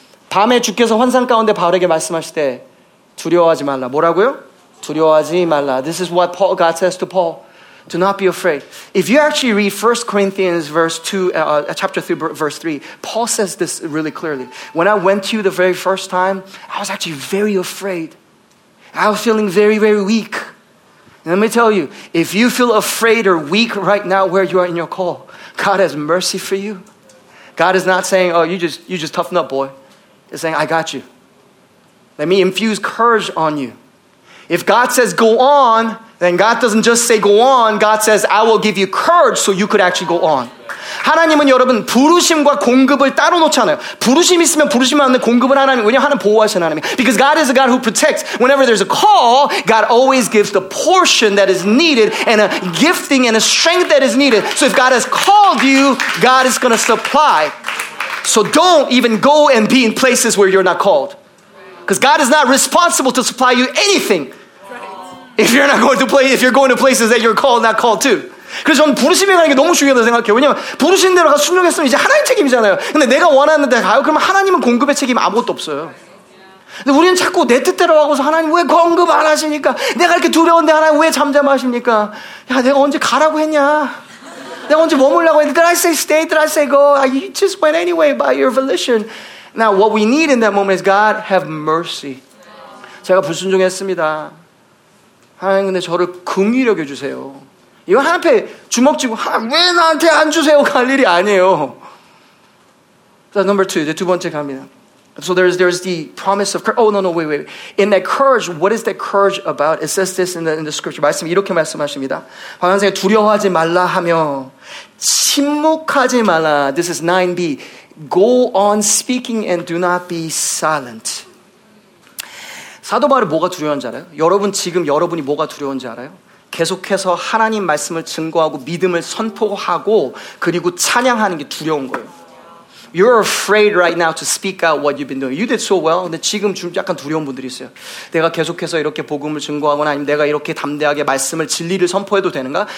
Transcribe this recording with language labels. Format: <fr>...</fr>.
<ko>밤에 주께서 환상 가운데 바울에게 말씀하실 때 두려워하지 말라. 뭐라고요? 두려워하지 말라.</ko> <en>This is what Paul, God says to Paul. Do not be afraid. If you actually read 1 Corinthians verse 2, chapter 3, verse 3, Paul says this really clearly. When I went to you the very first time, I was actually very afraid. I was feeling very, very weak. And let me tell you, if you feel afraid or weak right now where you are in your call, God has mercy for you. God is not saying, oh, you just toughen up, boy. He's saying, I got you. Let me infuse courage on you. If God says, go on, then God doesn't just say go on. God says, I will give you courage so you could actually go on.</en> <ko>하나님은 여러분 부르심과 공급을 따로 놓지 않아요. 부르심 있으면 부르심 맞는 공급은 하나님. 왜냐 하나님 보호하시는 하나님.</ko> <en>Because God is a God who protects. Whenever there's a call, God always gives the portion that is needed and a gifting and a strength that is needed. So if God has called you, God is going to supply. So don't even go and be in places where you're not called. Because God is not responsible to supply you anything. If you're not going to play, if you're going to places that you're called, not called to.</en> <ko>그래서 저는 부르심이라는 게 너무 중요하다고 생각해요. 왜냐하면 부르신 대로 가서 순종했으면 이제 하나님 책임이잖아요. 근데 내가 원하는데 가요? 그러면 하나님은 공급의 책임 아무것도 없어요. 근데 우리는 자꾸 내 뜻대로 하고서 하나님 왜 공급 안 하십니까? 내가 이렇게 두려운데 하나님 왜 잠잠하십니까? 야, 내가 언제 가라고 했냐? 내가 언제 머물라고 했냐?</ko> <en>Did I say stay? Did I say go? You just went anyway by your volition. Now what we need in that moment is God have mercy.</en> <ko>제가 불순종했습니다. 하나님 근데 저를 긍휼히 여겨주세요. 이건 하나님 앞에 주먹 쥐고 하나님 왜 나한테 안 주세요? 갈 일이 아니에요.</ko> <en>So number two,</en> <ko>이제 두 번째 갑니다.</ko> <en>So there's the promise of courage. Oh no, wait. In that courage, what is that courage about? It says this in the scripture.</en> <ko>말씀 이렇게 말씀하십니다. 방언상에 두려워하지 말라 하며 침묵하지 말라.</ko> <en>This is 9b. Go on speaking and do not be silent.</en> <ko>사도 바울이 뭐가 두려운지 알아요? 여러분 지금 여러분이 뭐가 두려운지 알아요? 계속해서 하나님 말씀을 증거하고 믿음을 선포하고 그리고 찬양하는 게 두려운 거예요.</ko> <en>You're afraid right now to speak out what you've been doing. You did so well.</en> <ko>근데 지금 약간 두려운 분들이 있어요. 내가 계속해서 이렇게 복음을 증거하거나 아니면 내가 이렇게 담대하게 말씀을 진리를 선포해도 되는가?</ko>